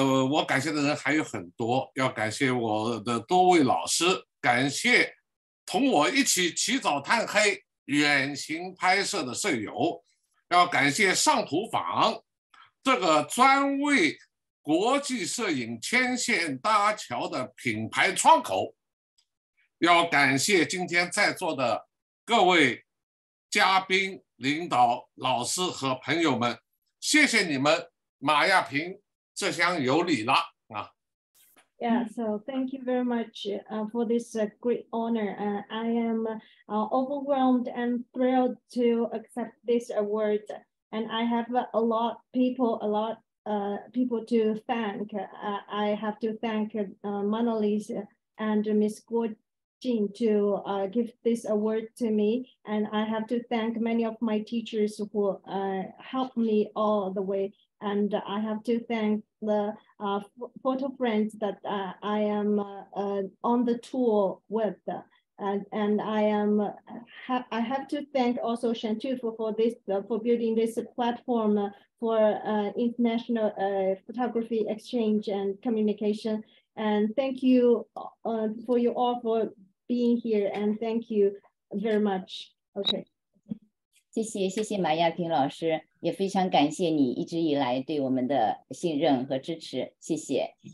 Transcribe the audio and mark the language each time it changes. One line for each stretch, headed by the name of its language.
Chinese: 我感谢的人还有很多要感谢我的多位老师感谢同我一起起早贪黑远行拍摄的摄友要感谢上图坊这个专为国际摄影牵线搭桥的品牌窗口要感谢今天在座的各位嘉宾领导老师和朋友们谢谢你们马亚平这厢有礼了啊
English: Yeah, so thank you very much for this great honor. I am overwhelmed and thrilled to accept this award. And I have a lot of people to thank. I have to thank Manolis and Ms. Guo Jin to give this award to me. And I have to thank many of my teachers who helped me all the way. And I have to thank the photo friends that I am on the tour with. I have to thank also Shangtuf for building this platform for international photography exchange and communication. And thank you for you all for being here. And thank you very much. Okay.
Chinese: 谢谢谢谢马亚平老师也非常感谢你一直以来对我们的信任和支持谢谢。